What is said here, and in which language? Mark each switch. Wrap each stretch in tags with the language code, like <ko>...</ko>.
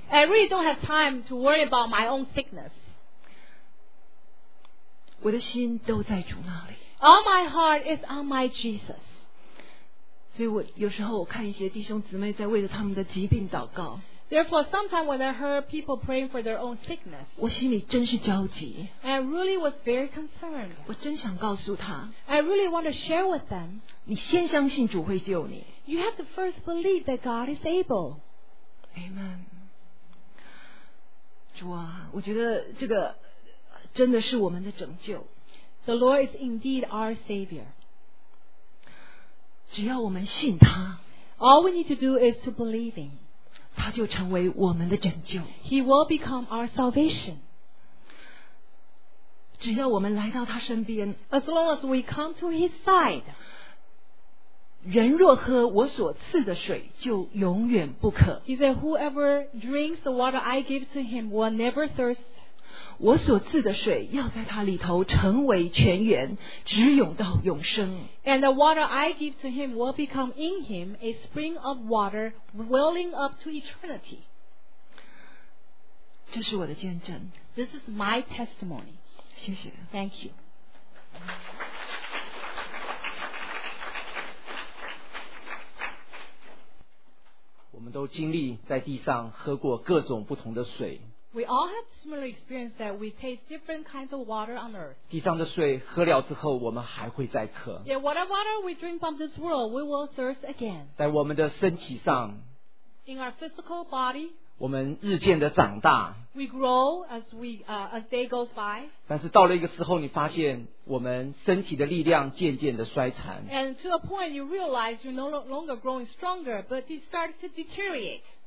<en>I really don't have time to worry about my own sickness.</en> <zh>我的心都在主那里。</zh> <en>All my heart is on my Jesus.</en> <zh>所以我有时候我看一些弟兄姊妹在为着他们的疾病祷告。</zh> <en>Therefore, sometimes when I heard people praying for their own sickness,</en> <zh>我心里真是焦急。</zh> <en>And I really was very concerned.</en> <zh>我真想告诉他。</zh> <en>I really want to share with them.</en> <zh>你先相信主会救你。</zh> <en>You have to first believe that God is able. Amen.</en> <zh>主啊，我觉得这个真的是我们的拯救。</zh> <en>The Lord is indeed our Savior.</en> <zh>只要我们信他</zh> <en>All we need to do is to believe him</en> <zh>他就成为我们的拯救</zh> <en>He will become our salvation</en> <zh>只要我们来到他身边</zh> <en>As long as we come to his side</en> <zh>人若喝我所赐的水就永远不渴</zh> <en>He said whoever drinks the water I give to him will never thirst</en> <zh>我所赐的水要在他里头成为泉源直涌到永生</zh> <en>And the water I give to him will become in him a spring of water welling up to eternity.</en> <zh>这是我的见证。</zh> <en>This is my testimony.</en> <zh>谢谢。</zh> <en>Thank you.</en> <zh>我们都经历在地上喝过各种不同的水。</zh> <en>We all have similar experience that we taste different kinds of water on earth.</en> <zh>地上的水喝了之后我们还会再渴。</zh> <en>Yet whatever water we drink from this world, we will thirst again.</en> <zh>在我们的身体上</zh> <en>In our physical body,</en> <zh>我们日渐的长大</zh> <en>We grow as, as day goes by.</en> <zh>但是到了一个时候你发现我们身体的力量渐渐的衰残</zh> <en>And to a point you realize you're no longer growing stronger, but it starts to deteriorate.</en>